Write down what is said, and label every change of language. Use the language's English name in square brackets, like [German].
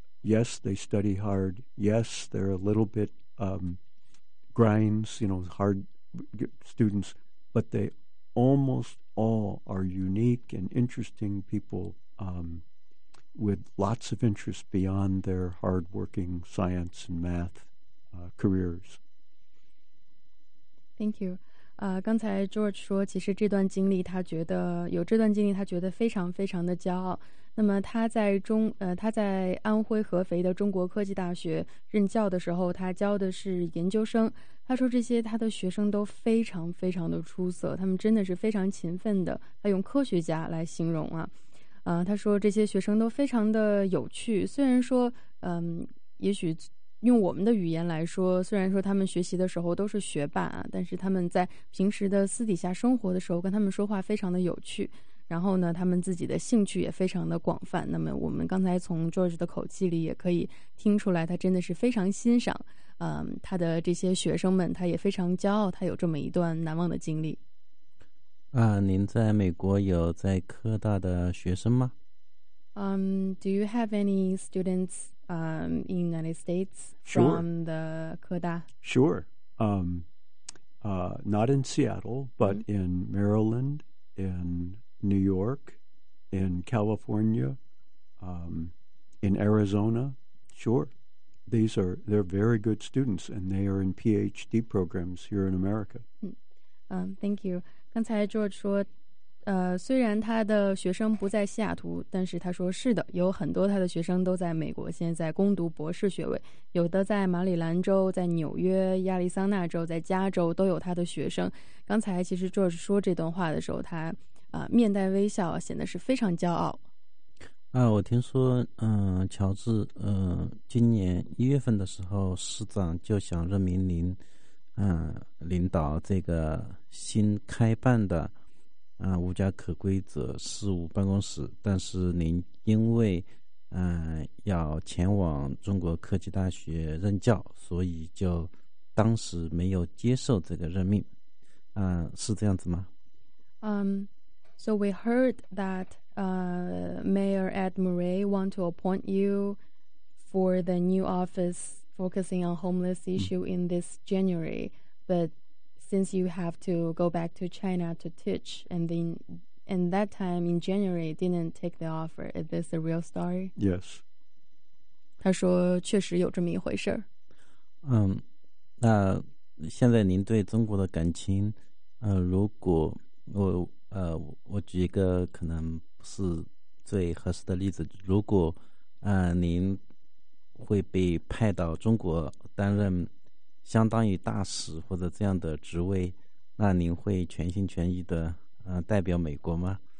[English] Yes, they study hard. Yes, they're a little bit grinds, you know, hard students, but they almost all are unique and interesting people with lots of interest beyond their hardworking science and math careers. Thank you. [Chinese] 刚才 George 说，其实这段经历他觉得有这段经历他觉得非常非常的骄傲。那么他在安徽合肥的中国科技大学任教的时候，他教的是研究生。他说这些他的学生都非常非常的出色，他们真的是非常勤奋的，他用科学家来形容啊。他说这些学生都非常的有趣，虽然说也许用我们的语言来说，虽然说他们学习的时候都是学霸啊，但是他们在平时的私底下生活的时候跟他们说话非常的有趣，然后呢他们自己的兴趣也非常的广泛。那么我们刚才从 George 的口气里也可以听出来，他真的是非常欣赏他的这些学生们，他也非常骄傲他有这么一段难忘的经历。您在美国有在科大的学生吗？ [English] Do you have any students in the United States from the KEDA? Sure. Not in Seattle, but in Maryland, in New York, in California, in Arizona. Sure. They're very good students, and they are in PhD programs here in America. Thank you. [Chinese] 刚才 George 说虽然他的学生不在西雅图，但是他说是的，有很多他的学生都在美国，现在攻读博士学位，有的在马里兰州，在纽约，亚利桑那州，在加州，都有他的学生。刚才其实 George 说这段话的时候，他面带微笑，显得是非常骄傲。我听说乔治今年一月份的时候，市长就想任命您领导这个新开办的无家可归者事务办公室，但是您因为要前往中国科技大学任教，所以就当时没有接受这个任命，是这样子吗？ [English] So we heard that Mayor Ed Murray want to appoint you for the new office focusing on homeless issue in this January, but since you have to go back to China to teach, and that time in January didn't take the offer. Is this a real story? Yes. [Chinese] 他说确实有这么一回事。那现在您对中国的感情，如果我举一个可能不是最合适的例子，如果您会被派到中国担任相当于大使或者这样的职位，那您会全心全意的代表美国吗？